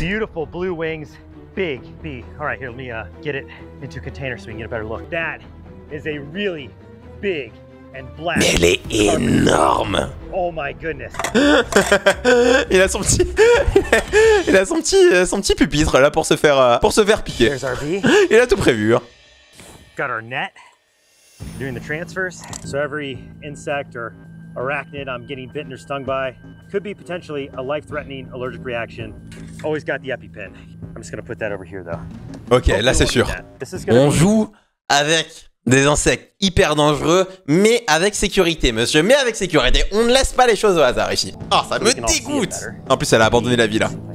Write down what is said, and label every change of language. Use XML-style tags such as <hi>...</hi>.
<en>Beautiful blue wings, big bee. All right, here, let me get it into a container so we can get a better look. That is a really big and black.</en> <fr>Mais elle est énorme.</fr> <en>Oh my goodness.</en> <fr>Il a son petit, il a son petit pupitre là pour se faire piquer.</fr> <en>There's our bee.</en> <fr>Il a tout prévu.</fr> <en>Got our net. Doing the transfers. So every insect or arachnid I'm getting bitten or stung by could be potentially a life-threatening allergic reaction. Always got the EpiPen. I'm just gonna put that over here though.</en> <fr>Ok, oh, là c'est sûr. On joue avec des insectes hyper dangereux, mais avec sécurité, monsieur. Mais avec sécurité, on ne laisse pas les choses au hasard ici. Oh, ça me dégoûte. En plus, elle a abandonné la vie là.</fr>